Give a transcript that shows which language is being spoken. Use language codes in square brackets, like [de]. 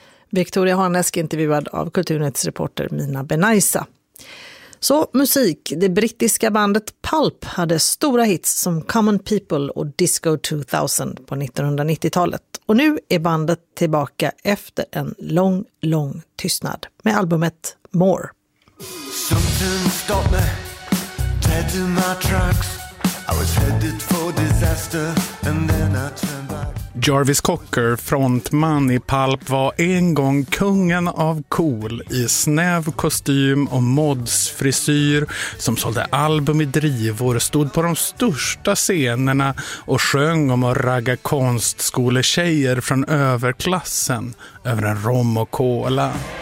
[sv] Victoria Harnesk intervjuad av Kulturnets reporter Mina Benaisa. Så musik. Det brittiska bandet Pulp hade stora hits som Common People och Disco 2000 på 1990-talet. Och nu är bandet tillbaka efter en lång, lång tystnad med albumet More. [en] Something stopped me, dead in my tracks. I was headed for disaster and then I turned back. [sv] Jarvis Cocker, frontman i Pulp, var en gång kungen av cool i snäv kostym och modsfrisyr som sålde album i drivor, stod på de största scenerna och sjöng om att ragga konstskoletjejer från överklassen över en rom och cola.